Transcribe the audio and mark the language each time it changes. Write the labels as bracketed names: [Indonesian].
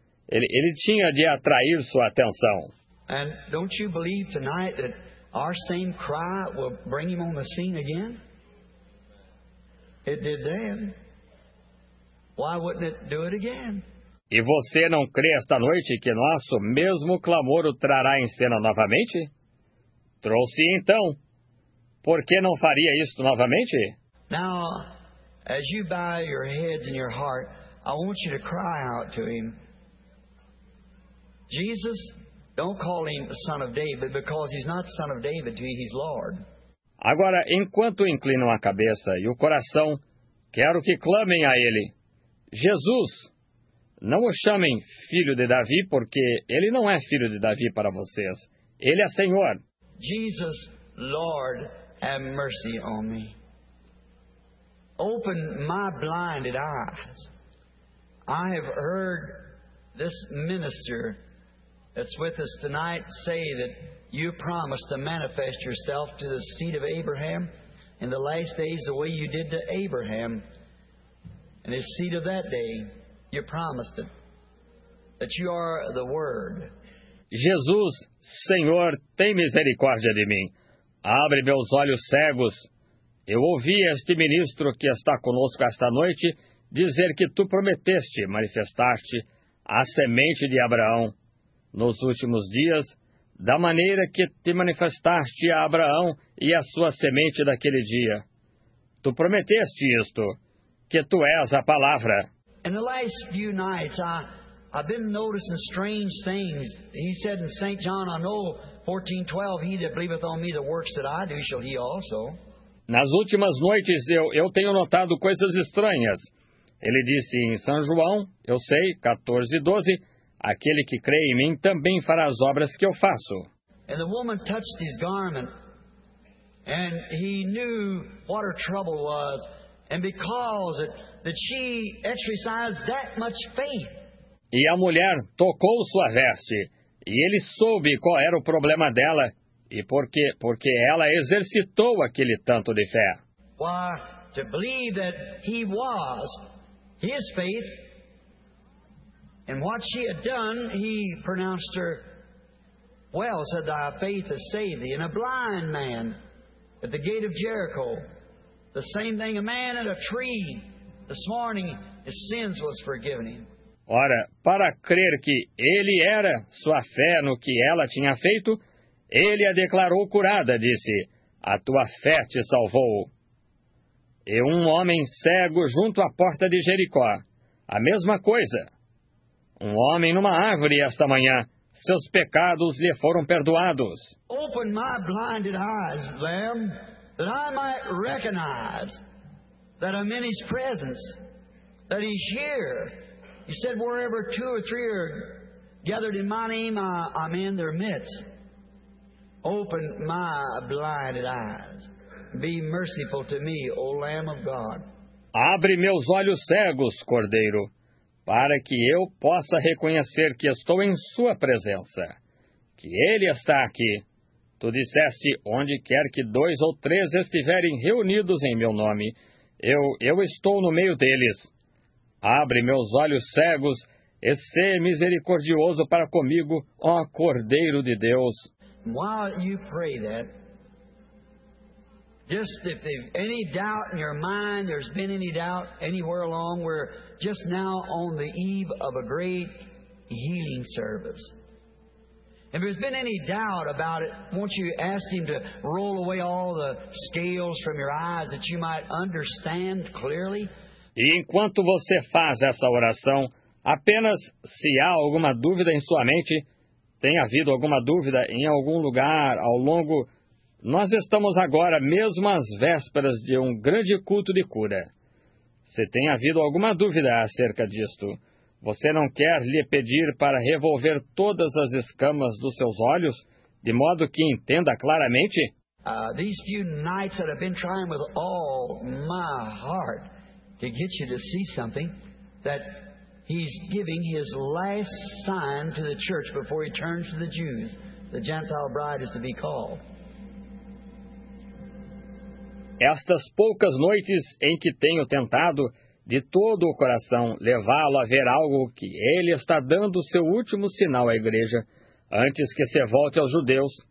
[Portuguese] Ele tinha de atrair sua atenção. [English] And don't you believe tonight that our same cry will bring him on the scene again? It did then. Why wouldn't it do it again? [Portuguese] E você não crê esta noite que nosso mesmo clamor o trará em cena novamente? Trouxe então. Por que não faria isso novamente? [English] Now, as you bow your heads and your heart, I want you to cry out to him. Jesus, don't call him the son of David, because he's not son of David to you, he's Lord. [Portuguese] Agora, enquanto inclinam a cabeça e o coração, quero que clamem a ele. Jesus! Não o chamem filho de Davi, porque ele não é filho de Davi para vocês. Ele é Senhor. [English] Jesus, Lord, have mercy on me. Open my blinded eyes. I have heard this minister that's with us tonight say that you promised to manifest yourself to the seed of Abraham in the last days the way you did to Abraham and his seed of that day. You promised it, that you are the Word. [Portuguese] Jesus, Senhor, tem misericórdia de mim. Abre meus olhos cegos. Eu ouvi este ministro que está conosco esta noite dizer que tu prometeste, manifestaste a semente de Abraão nos últimos dias, da maneira que te manifestaste a Abraão e a sua semente daquele dia. Tu prometeste isto, que tu és a palavra. [English] In the last few nights, I've been noticing strange things. He said in St. John, I know, 14:12, he that believeth on me, the works that I do, shall he also. [Portuguese] Nas últimas noites, eu tenho notado coisas estranhas. Ele disse em São João, eu sei, 14:12, aquele que crê em mim também fará as obras que eu faço. [English] And the woman touched his garment, and he knew what her trouble was. And because that she exercised that much faith. [Portuguese] E a mulher tocou sua veste, e ele soube qual era o problema dela, e por quê? Porque ela exercitou aquele tanto de fé. [English] Why, to believe that he was, his faith, and what she had done, he pronounced her, well, said, thy faith has saved thee. And a blind man at the gate of Jericho, the same thing, a man in a tree. This morning, his sins was forgiven him. [Portuguese] Ora, para crer que ele era, sua fé no que ela tinha feito, ele a declarou curada, disse, a tua fé te salvou. E um homem cego junto à porta de Jericó, a mesma coisa. Um homem numa árvore esta manhã, seus pecados lhe foram perdoados. [English] Open my blinded eyes, Lamb, that I might recognize that I'm in his presence, that he's here. He said, wherever two or three are gathered in my name, I'm in their midst. Open my blinded eyes. Be merciful to me, O Lamb of God. [Portuguese] Abre meus olhos cegos, Cordeiro, para que eu possa reconhecer que estou em sua presença, que ele está aqui. Tu disseste, onde quer que dois ou três estiverem reunidos em meu nome, eu estou no meio deles. Abre meus olhos cegos e sê misericordioso para comigo, ó Cordeiro de Deus. [English] While you pray that, just if there's any doubt in your mind, there's been any doubt anywhere along, we're just now on the eve of a great healing service. If there's been any doubt about it, won't you ask him to roll away all the scales from your eyes that you might understand clearly? [Portuguese] E enquanto você faz essa oração, apenas se há alguma dúvida em sua mente, tem havido alguma dúvida em algum lugar ao longo... Nós estamos agora, mesmo às vésperas de um grande culto de cura. Se tem havido alguma dúvida acerca disto, você não quer lhe pedir para revolver todas as escamas dos seus olhos, de modo que entenda claramente? [English] These few nights that I've been trying with all my heart to get you to see something, that he's giving his last sign to the church before he turns to the Jews. The Gentile bride is to be called. [Portuguese] Estas poucas noites em que tenho tentado, de todo o coração, levá-lo a ver algo que ele está dando seu último sinal à igreja, antes que se volte aos judeus.